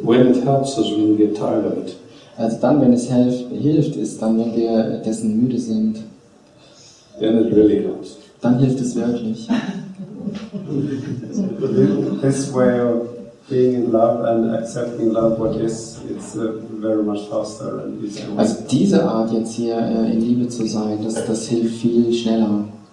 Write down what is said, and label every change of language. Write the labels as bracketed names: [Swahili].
[English] When it helps us, when we get tired of it. [German] Also dann, wenn es hilft, ist dann, wenn wir dessen müde sind. [English] Then it really helps. [German] Dann hilft es wirklich. [English] This way of being in love and accepting love what is, it's very much faster and easier. [German] Also diese Art jetzt hier in Liebe zu sein, das hilft viel schneller.